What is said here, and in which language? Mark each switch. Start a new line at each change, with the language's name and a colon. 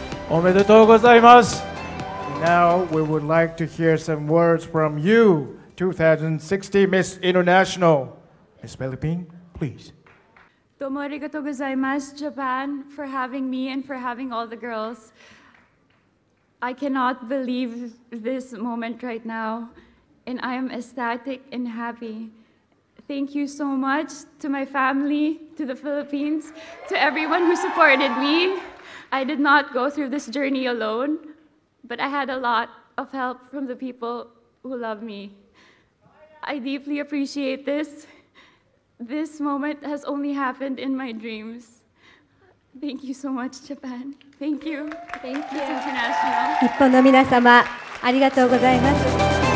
Japanese: おめでとうございます。
English: Now we would like to hear some words from you, 2016 Miss International. Miss Philippines, please.
Japanese: どうもありがとうございます、
English: Japan, for having me and for having all the girls. I cannot believe this moment right now, and I am ecstatic and happy. Thank you so much to my family, to the Philippines, to everyone who supported me. I did not go through this journey alone, but I had a lot of help from the people who love me. I deeply appreciate this. This moment has only happened in my dreams. Thank you so much, Japan. Thank you. Thank you, International.
Japanese: 日本の皆様、ありがとうございます。